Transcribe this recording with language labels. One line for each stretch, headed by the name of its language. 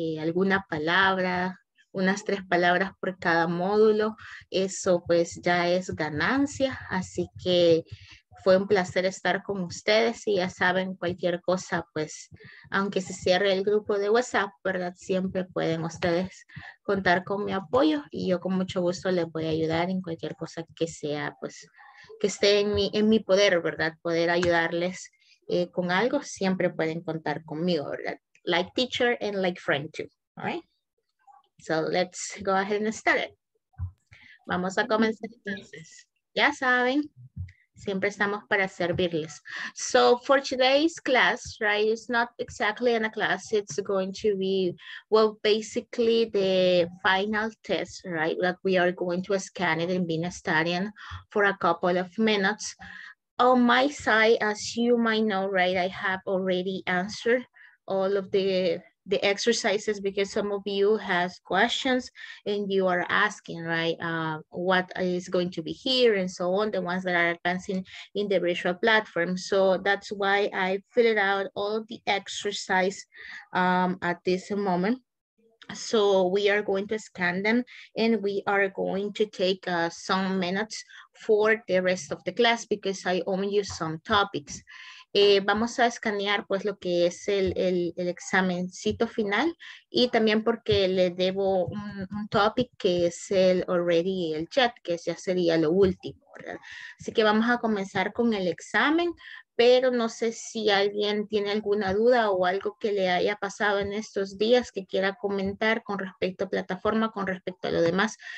Spanish: Alguna palabra, unas 3 palabras por cada módulo, eso pues ya es ganancia, así que fue un placer estar con ustedes y ya saben, cualquier cosa, pues aunque se cierre el grupo de WhatsApp, ¿verdad? Siempre pueden ustedes contar con mi apoyo y yo con mucho gusto les voy a ayudar en cualquier cosa que sea, pues que esté en mi poder, ¿verdad? Poder ayudarles con algo, siempre pueden contar conmigo, ¿verdad?
English: Like teacher and like friend too, all right? So let's go ahead and start it.
Spanish: Vamos a comenzar entonces. Ya saben, siempre estamos para servirles.
English: So for today's class, right, it's not exactly in a class. It's going to be, well, basically the final test, right? Like we are going to scan it and be studying for a couple of minutes. On my side, as you might know, right, I have already answered all of the exercises because some of you has questions and you are asking, right? What is going to be here and so on, the ones that are advancing in the virtual platform. So that's why I filled out all the exercise at this moment. So we are going to scan them and we are going to take some minutes for the rest of the class because I owe you some topics.
Spanish: Vamos a escanear pues lo que es el examencito final y también porque le debo un topic que es el
English: already
Spanish: el chat, que ya sería lo último, ¿verdad? Así que vamos a comenzar con el examen, pero no sé si alguien tiene alguna duda o algo que le haya pasado en estos días que quiera comentar con respecto a plataforma, con respecto a lo demás.